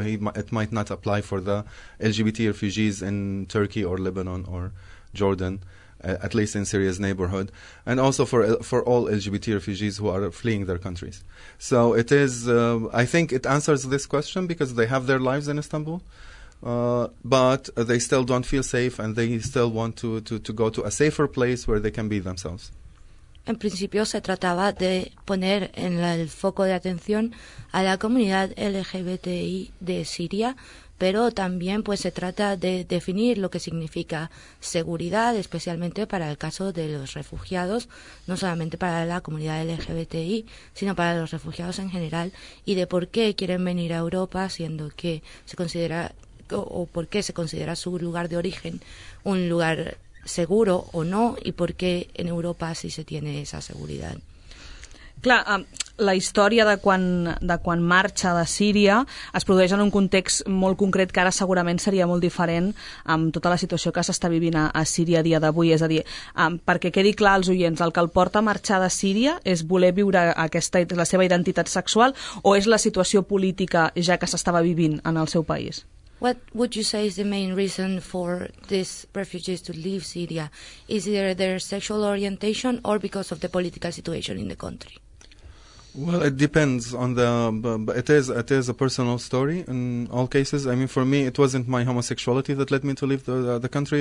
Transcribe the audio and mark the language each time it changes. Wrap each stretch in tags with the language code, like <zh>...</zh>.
<en>It might not apply for the LGBT refugees in Turkey or Lebanon or Jordan, at least in Syria's neighborhood, and also for all LGBT refugees who are fleeing their countries. So it is. I think it answers this question because they have their lives in Istanbul. But they still don't feel safe, and they still want to go to a safer place where they can be themselves.</en> <es>En principio se trataba de poner en el foco de atención a la comunidad LGBTI de Siria, pero también pues se trata de definir lo que significa seguridad, especialmente para el caso de los refugiados, no solamente para la comunidad LGBTI, sino para los refugiados en general, y de por qué quieren venir a Europa, siendo que se considera o por qué se considera su lugar de origen un lugar seguro o no, y por qué en Europa sí se tiene esa seguridad.</es> <ca>Clar, la història de quan marxa de Síria es produeix en un context molt concret que ara segurament seria molt diferent amb tota la situació que s'està vivint a Síria a dia d'avui. És a dir, perquè quedi clar als oients, el que el porta a marxar de Síria és voler viure aquesta, la seva identitat sexual, o és la situació política ja que s'estava vivint en el seu país?</ca> <en>What would you say is the main reason for these refugees to leave Syria? Is it their sexual orientation or because of the political situation in the country? Well, it depends on the. But it is a personal story in all cases. I mean, for me, it wasn't my homosexuality that led me to leave the country.</en>